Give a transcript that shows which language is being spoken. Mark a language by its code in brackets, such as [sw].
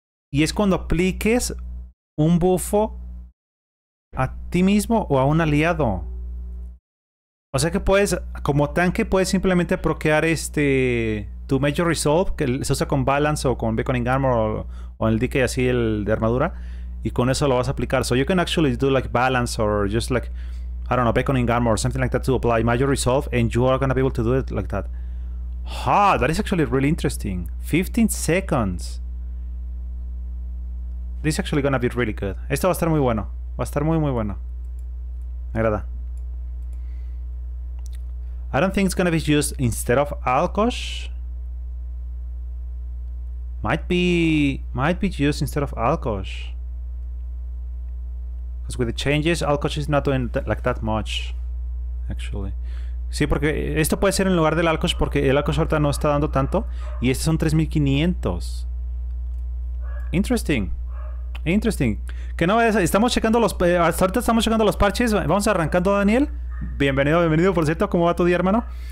[es] Y es cuando apliques un buffo a ti mismo o a un aliado. O sea que puedes, como tanque, puedes simplemente proquear este tu Major Resolve, que se usa con Balance o con Beaconing Armor o en el DK así el de armadura. Y con eso lo vas a aplicar. [en] So you can actually do like Balance or just like, I don't know, Beaconing Armor or something like that to apply Major Resolve, and you are gonna be able to do it like that. Ha, that is actually really interesting. 15 seconds. This is actually gonna be really good. [es] Esto va a estar muy bueno. Va a estar muy muy bueno. Me agrada. [en] I don't think it's gonna be used instead of Alkosh. Might be used instead of Alkosh. Because with the changes, Alkosh is not doing like that much, actually. [es] Sí, porque esto puede ser en lugar del Alkosh, porque el Alkosh ahorita no está dando tanto. Y estos son 3500. Interesting. Que no, estamos checando los... hasta ahorita estamos checando los parches. Vamos arrancando, Daniel. Bienvenido, por cierto. ¿Cómo va tu día, hermano?